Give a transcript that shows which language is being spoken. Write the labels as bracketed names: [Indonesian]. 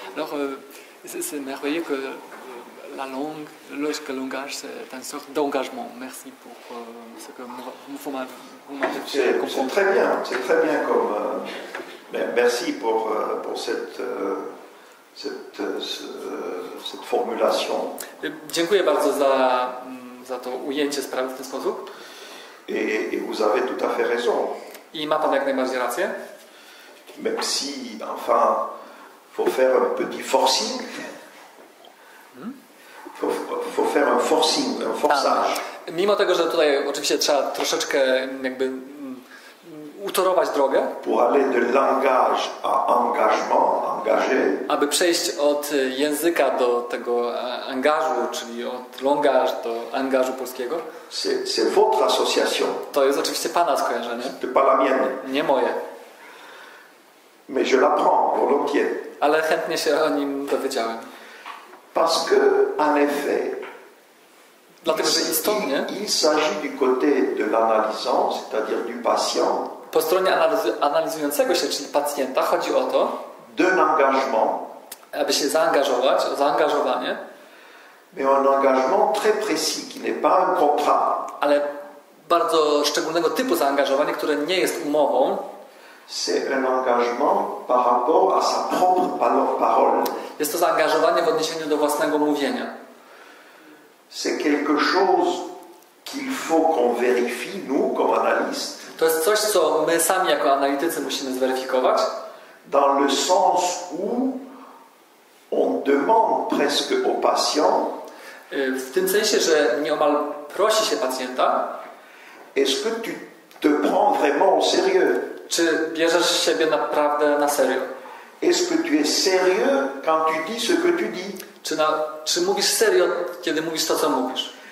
[French] Alors, c'est merveilleux que la langue, lorsque le langage, c'est une sorte d'engagement. Merci pour ce que vous m'avez dit. C'est très bien comme. Merci pour cette formulation. [Polish] Dziękuję bardzo za to ujęcie sprawy w ten sposób. [French] Et vous avez tout à fait raison. [Polish] I ma pan jak najbardziej rację. [French] Même si, enfin, faut faire un petit forcing. Faut faire un forcing, un forçage. [Polish] Mimo tego, że tutaj oczywiście trzeba troszeczkę jakby utorować drogę. [French] Pour aller de langage à engagement, engager. [Polish] Aby przejść od języka do tego angażu, czyli od langage do angażu polskiego. [French] C'est votre association. [Polish] To jest oczywiście pana skojarzenie. [French] C'est pas la mienne. [Polish] Nie moje. [French] Mais je l'apprends volontiers. [Polish] Ale chętnie się o nim dowiedziałem. [French] Parce que, en effet, [Polish] dlatego, że istotnie, [French] il s'agit du côté de l'analysant, c'est-à-dire du patient. [Polish] Po stronie analizującego się, czyli pacjenta, chodzi o to, [French] d'un engagement, [Polish] aby się zaangażować, o zaangażowanie, [French] mais un engagement très précis, qui n'est pas un contrat. [Polish] Ale bardzo szczególnego typu zaangażowanie, które nie jest umową. [French] C'est un engagement par rapport à sa propre parole. [Polish] Jest to zaangażowanie w odniesieniu do własnego mówienia. [French] C'est quelque chose qu'il faut qu'on vérifie nous comme analystes. [Polish] To jest coś, co my sami jako analitycy musimy zweryfikować. [French] Dans le sens où on demande presque au patient. [Polish] W tym sensie, że nieomal prosi się pacjenta. [French] Est-ce que tu te prends vraiment au sérieux? [Polish] Czy bierzesz siebie naprawdę na serio? [French] Est-ce que tu es sérieux quand tu dis ce que tu dis? [Polish] Czy mówisz serio, kiedy mówisz to, co mówisz?